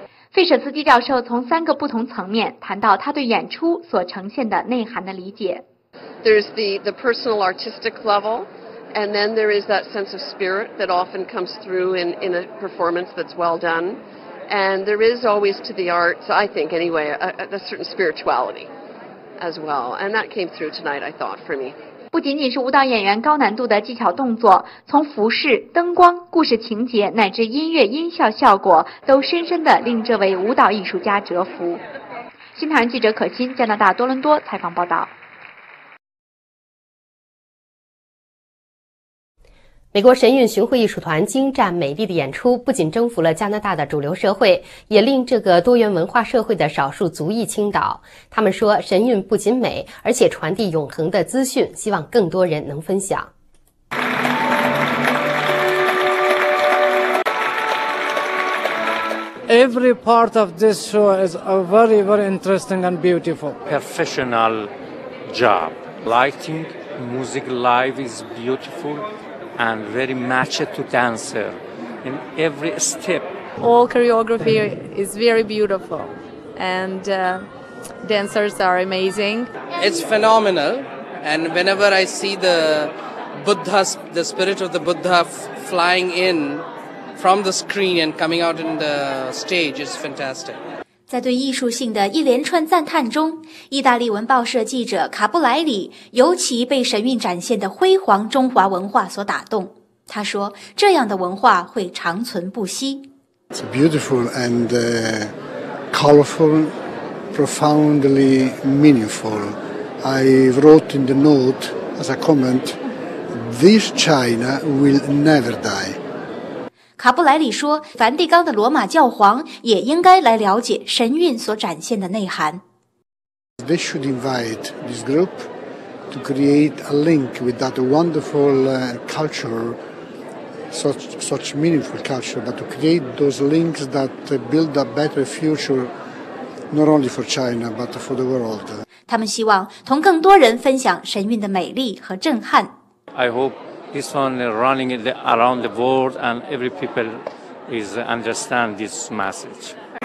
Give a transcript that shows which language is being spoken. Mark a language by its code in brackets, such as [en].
[zh] 费舍斯蒂教授从三个不同层面谈到他对演出所呈现的内涵的理解。 [en] There's the personal artistic level. And then there is that sense of spirit that often comes through in a performance that's well done. And there is always to the arts, I think anyway, a certain spirituality as well. And that came through tonight, I thought, for me. [zh] 不仅仅是舞蹈演员高难度的技巧动作，从服饰、灯光、故事情节乃至音乐音效效果，都深深地令这位舞蹈艺术家折服。新唐人记者可欣，加拿大多伦多采访报道。美国神韵巡回艺术团精湛美丽的演出不仅征服了加拿大的主流社会，也令这个多元文化社会的少数族裔倾倒。他们说，神韵不仅美，而且传递永恒的资讯，希望更多人能分享。 [en] Every part of this show is a very, very interesting and beautiful. Professional job. Lighting, music live is beautiful. And very matched to dancer in every step. All choreography is very beautiful, and dancers are amazing. It's phenomenal, and whenever I see the Buddha, the spirit of the Buddha flying in from the screen and coming out in the stage, it's fantastic. [zh] 在对艺术性的一连串赞叹中，意大利文报社记者卡布莱里尤其被神韵展现的辉煌中华文化所打动。他说，这样的文化会长存不息。 [en] It's beautiful and colorful, profoundly meaningful. I wrote in the note as a comment, this China will never die. [zh] 卡布莱里说，梵蒂冈的罗马教皇也应该来了解神韵所展现的内涵。 [en] They should invite this group to create a link with that wonderful culture, such meaningful culture, but to create those links that build a better future, not only for China, but for the world. [zh] 他们希望同更多人分享神韵的美丽和震撼。 [en] I hope. This one running around the world and every people is understand this message.